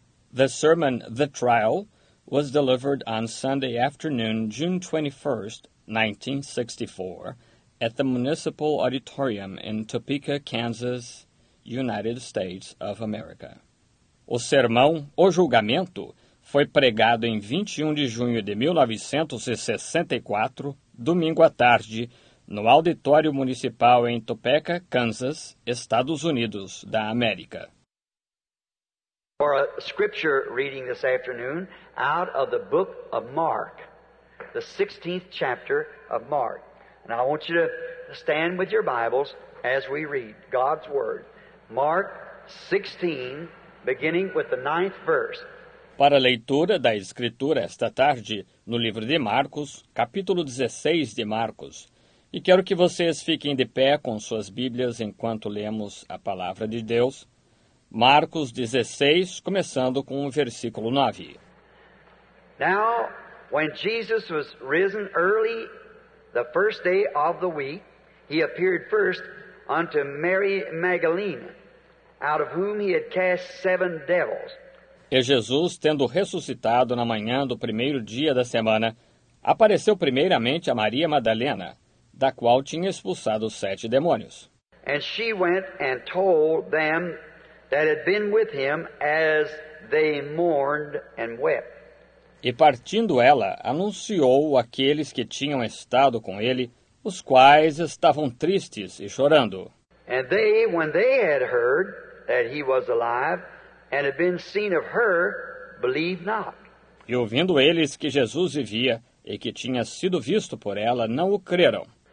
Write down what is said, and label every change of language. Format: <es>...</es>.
<en>The sermon, The Trial, was delivered on Sunday afternoon, June 21, 1964, at the Municipal Auditorium in Topeka, Kansas, United States of America.</en> <pt>O sermão, O Julgamento, foi pregado em 21 de junho de 1964, domingo à tarde, no Auditório Municipal em Topeka, Kansas, Estados Unidos da América.</pt> <en>For a scripture reading this afternoon out of the book of Mark, the 16th chapter of Mark. And I want you to stand with your Bibles as we read God's Word. Mark 16, beginning with the 9th verse.</en> <pt>Para a leitura da Escritura esta tarde, no livro de Marcos, capítulo 16 de Marcos. E quero que vocês fiquem de pé com suas Bíblias enquanto lemos a Palavra de Deus. Marcos 16, começando com o versículo 9.</pt> <en>Now, when Jesus was risen early the first day of the week, he appeared first unto Mary Magdalene, out of whom he had cast seven devils.</en> <pt>E Jesus, tendo ressuscitado na manhã do primeiro dia da semana, apareceu primeiramente a Maria Madalena, da qual tinha expulsado sete demônios.</pt> <en>And she went and told them that had been with him as they mourned and wept.</en> <pt>E partindo ela, anunciou aqueles que tinham estado com ele, os quais estavam tristes e chorando.</pt> <en>And they, when they had heard that he was alive, and had been seen of her, believed not.</en> <pt>E ouvindo eles que Jesus vivia, e que tinha sido visto por ela, não o creram.</pt>